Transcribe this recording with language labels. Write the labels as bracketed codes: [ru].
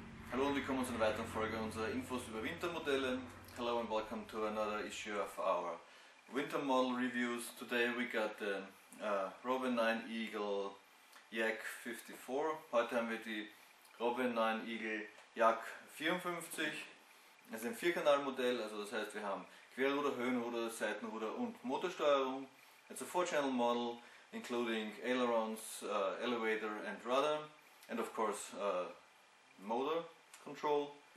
[de] Hallo und willkommen zu einer weiteren Folge unserer Infos über Wintermodelle. [en] Hello and welcome to another issue of our Winter Model Reviews. Today we got the Robin 9 Eagle Yak 54. [de] Heute haben wir die Robin 9 Eagle Yak 54. Es ist ein Vierkanalmodell, also das heißt, wir haben Querruder, Höhenruder, Seitenruder und Motorsteuerung. [en] It's a four-channel model, including ailerons, elevator and rudder, and of course motor control.